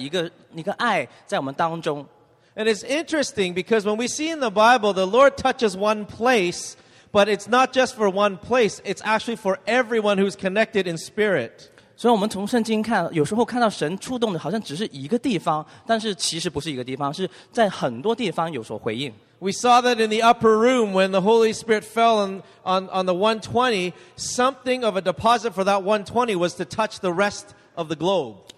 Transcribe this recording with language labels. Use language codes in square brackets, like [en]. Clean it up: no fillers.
[zh] 在这个时候，我感觉神在释放一个很动态的一个爱在我们当中。 [en] And it's interesting because when we see in the Bible, the Lord touches one place, but it's not just for one place. It's actually for everyone who's connected in spirit. [zh] 所以我们从圣经看，有时候看到神触动的，好像只是一个地方，但是其实不是一个地方，是在很多地方有所回应。 [en] We saw that in the upper room when the Holy Spirit fell on the 120, something of a deposit for that 120 was to touch the rest of the globe.